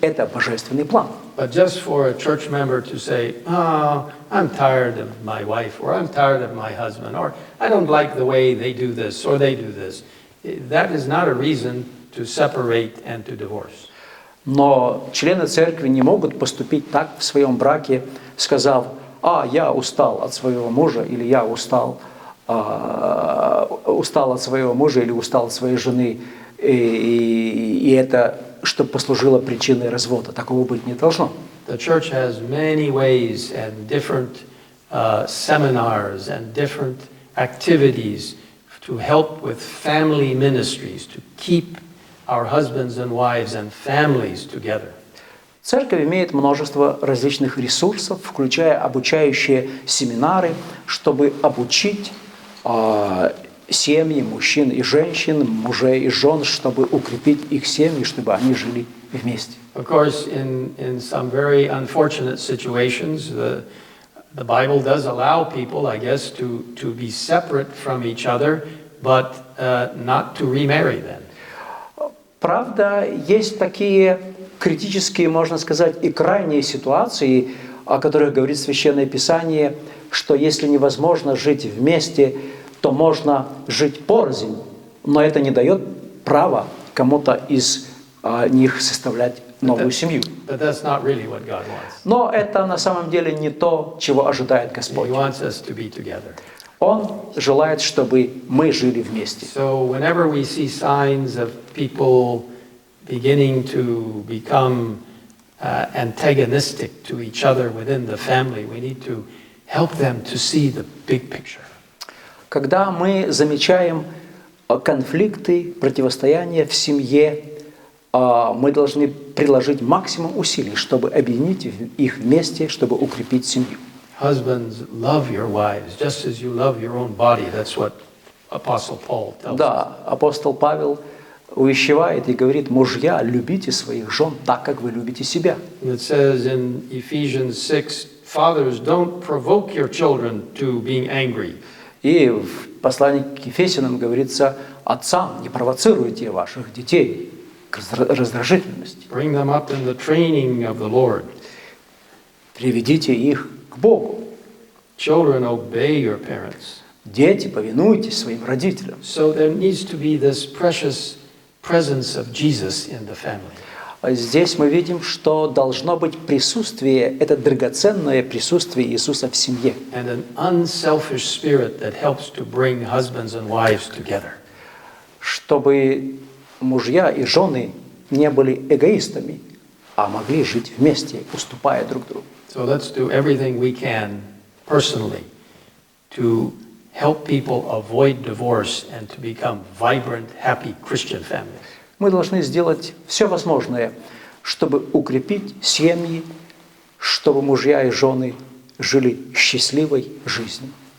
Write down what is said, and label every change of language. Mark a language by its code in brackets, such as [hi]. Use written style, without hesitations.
[ru] Это божественный план. [en] But just for a church member to say, I'm tired of my wife, or I'm tired of my husband, or I don't like the way they do this, or they do this. That is not a reason to separate and to divorce. [ru] Но члены церкви не могут поступить так в своем браке, сказав, я устал от своего мужа, или я устал от своего мужа, или устал от своей жены, и это, чтобы послужило причиной развода. Такого быть не должно. [en] The church has many ways and different seminars and different activities to help with family ministries, to keep our husbands and wives and families together. [ru] Церковь имеет множество различных ресурсов, включая обучающие семинары, чтобы обучить семьи мужчин и женщин, мужей и жен, чтобы укрепить их семьи, чтобы они жили вместе. [en] Of course, in some very unfortunate situations, the Bible does allow people, I guess, to be separate from each other, but not to remarry then. [ru] Правда, есть такие критические, можно сказать, и крайние ситуации, о которых говорит Священное Писание, что если невозможно жить вместе, то можно жить порознь, но это не дает права кому-то из них составлять новую семью. [en] But that's not really what God wants. [ru] Но это на самом деле не то, чего ожидает Господь. [en] He wants us to be together. [ru] Он желает, чтобы мы жили вместе. [en] So whenever we see signs of people beginning to become antagonistic to each other within the family, we need to help them to see the big picture. [ru] Когда мы замечаем конфликты, противостояния в семье, мы должны приложить максимум усилий, чтобы объединить их вместе, чтобы укрепить семью. [en] Husbands, love your wives, just as you love your own body. That's what Apostle Paul tells us. [ru] Да, апостол Павел увещевает и говорит, мужья, любите своих жен так, как вы любите себя. [en] It says in Ephesians 6, fathers, don't provoke your children to being angry. [ru] И в послании к Ефесянам говорится, отцам, не провоцируйте ваших детей к раздражительности. [en] Bring them up in the training of the Lord. [ru] Приведите их к Богу. [en] Children, obey your parents. [ru] Дети, повинуйтесь своим родителям. [en] So there needs to be this precious presence of Jesus in the family. [ru] Здесь мы видим, что должно быть присутствие, это драгоценное присутствие Иисуса в семье. [en] And an unselfish spirit that helps to bring husbands and wives together. [ru] Чтобы мужья и жены не были эгоистами, а могли жить вместе, уступая друг другу. [en] So let's do everything we can personally to help people avoid divorce and to become vibrant, happy Christian families. [ru] Мы должны сделать все возможное, чтобы укрепить семьи, чтобы мужья и жены жили счастливой жизнью.